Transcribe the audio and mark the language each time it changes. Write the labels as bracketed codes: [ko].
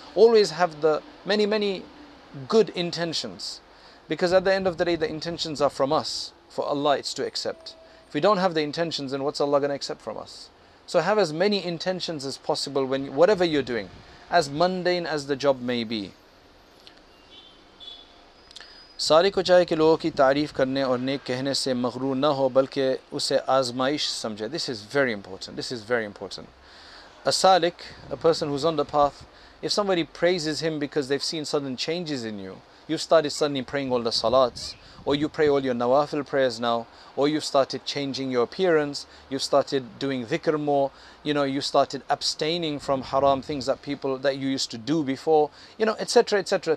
[en] Always have the many, many good intentions. Because at the end of the day, the intentions are from us. For Allah, it's to accept. If we don't have the intentions, then what's Allah going to accept from us? So have as many intentions as possible when whatever you're doing, as mundane as the job may be. [ur] ساری کو چاہے کہ لوگوں کی تعریف کرنے اور نیک کہنے سے مغرور نہ ہو بلکہ اسے آزمائش سمجھے. [en] This is very important. A salik, a person who's on the path, if somebody praises him because they've seen sudden changes in you, you've started suddenly praying all the salats, or you pray all your nawafil prayers now, or you've started changing your appearance, you've started doing dhikr more, you know, you started abstaining from haram things that people that you used to do before, you know, etc., etc.